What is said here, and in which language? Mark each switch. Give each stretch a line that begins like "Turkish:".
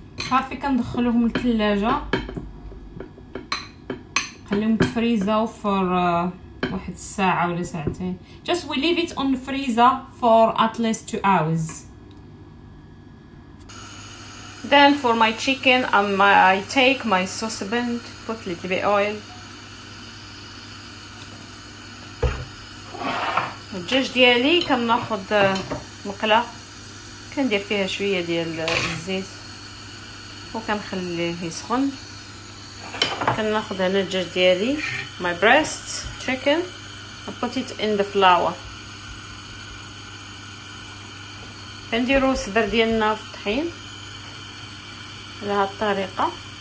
Arabic: صافي كندخلوهم للثلاجة, نخليهم في الفريزر فور واحد الساعة ولا ساعتين.
English: just we leave it on the freezer for at least 2 hours. then for my chicken I take my saucepan, put a little bit of oil.
Arabic: الدجاج ديالي كناخد مقلة كندير فيها شوية ديال الزيت وكنخليه يسخن. كناخد هنا الدجاج ديالي,
English: my breast chicken, I put it in the flour.
Arabic: كنديرو الصدر ديالنا في الطحين على هاد الطريقة.